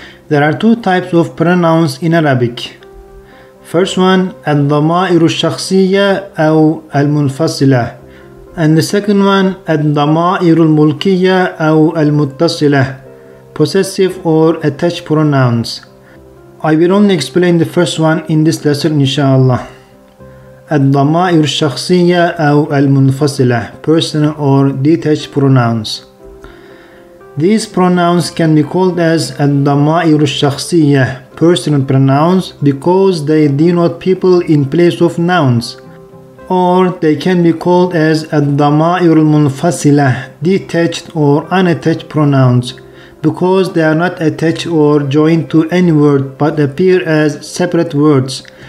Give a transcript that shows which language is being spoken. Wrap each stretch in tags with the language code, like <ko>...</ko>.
<en>There are two types of pronouns in Arabic. First one,</en> <ar>الضمائر الشخصية أو المنفصلة.</ar> <en>And the second one,</en> <ar>الضمائر الملكية أو المتصلة,</ar> <en>possessive or attached pronouns. I will only explain the first one in this lesson, inshallah.</en> <ar>الضمائر الشخصية أو المنفصلة,</ar> <en>personal or detached pronouns. These pronouns can be called as</en> <ar>الضمائر الشخصية,</ar> <en>personal pronouns, because they denote people in place of nouns. Or they can be called as</en> <ar>الضمائر المنفصلة,</ar> <en>detached or unattached pronouns, because they are not attached or joined to any word but appear as separate words.</en>